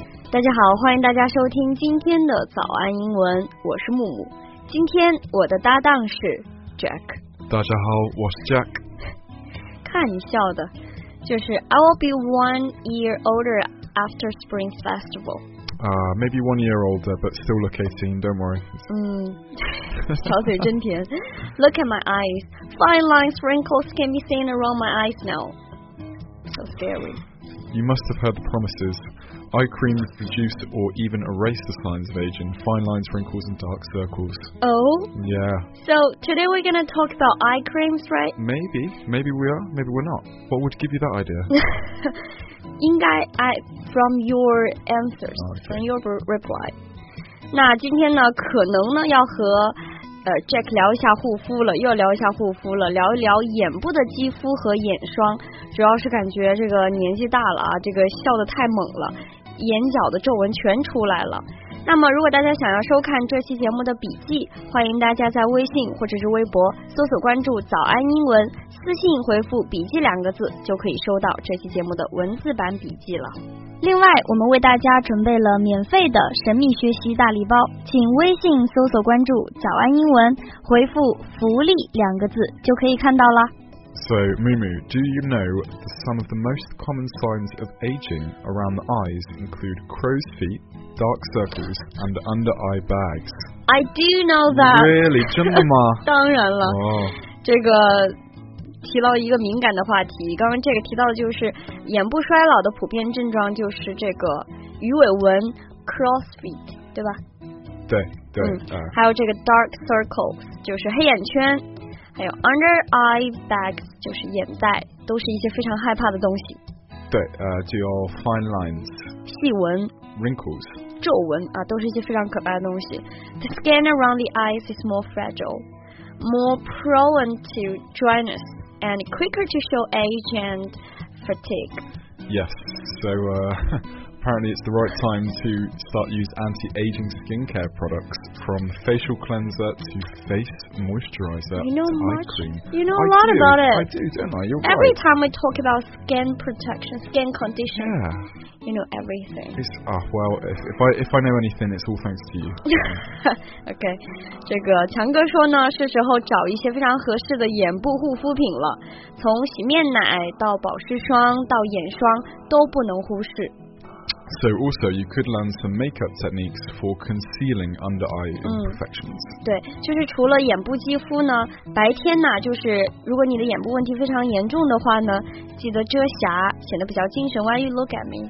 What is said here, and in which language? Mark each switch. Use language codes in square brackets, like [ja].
[zh] 大家好，欢迎大家收听今天的早安英文，我是木木。今天我的搭档是 Jack。大家好，我是 Jack。看你笑的，就是 [en] I will be 1 year older after Spring Festival。 Maybe 1 year older, but still look 18, don't worry. [zh] 小嘴真甜。 [en] Look at my eyes. Fine lines, wrinkles can be seen around my eyes now. So scary. You must have heard the promises. Eye cream reduced or even erased the signs of aging. Fine lines, wrinkles, and dark circles. Oh? Yeah. So today we're going to talk about eye creams, right? Maybe. Maybe we are, maybe we're not. What would give you that idea? [zh] 应该 [en] from your answers,、okay. from your reply. [zh] 那今天呢可能呢要和、Jack 聊一下护肤了，又聊一下护肤了，聊一聊眼部的肌肤和眼霜，主要是感觉这个年纪大了啊，这个笑得太猛了，眼角的皱纹全出来了。那么如果大家想要收看这期节目的笔记，欢迎大家在微信或者是微博搜索关注早安英文，私信回复笔记两个字，就可以收到这期节目的文字版笔记了。另外我们为大家准备了免费的神秘学习大礼包，请微信搜索关注早安英文，回复福利两个字就可以看到了。 [en] So Mumu, do you know some of the most common signs of aging around the eyes include crow's feetDark circles and under eye bags. I do know that. Really? [zh] 真的吗？当然了。Oh. 这个提到一个敏感的话题，刚刚这个提到的就是眼部衰老的普遍症状，就是这个鱼尾纹 cross feet, 对吧？对对、还有这个 dark circles, 就是黑眼圈，还有 under eye bags, 就是眼袋，都是一些非常害怕的东西。对，就有 fine lines, 细纹。 [en] Wrinkles, [zh] 皱纹啊，都是一些非常可怕的东西。 [en] The skin around the eyes is more fragile, more prone to dryness, and quicker to show age and fatigue. Yes, so apparently it's the right time to start use anti-aging skincare products, from facial cleanser to face moisturizer. You know much. Eye cream. You know a lot about it. I do, don't I? You're right. Every time we talk about skin protection, skin condition. Yeah. You know everything. If I know anything, it's all thanks to you. [zh] Okay, 这个强哥说呢，是时候找一些非常合适的眼部护肤品了。从洗面奶到保湿霜到眼霜都不能忽视。 [en] So also, you could learn some makeup techniques for concealing under eye imperfections.、 [zh] 对，就是除了眼部肌肤呢，白天呢，就是如果你的眼部问题非常严重的话呢，记得遮瑕，显得比较精神。 [en] Why you look at me?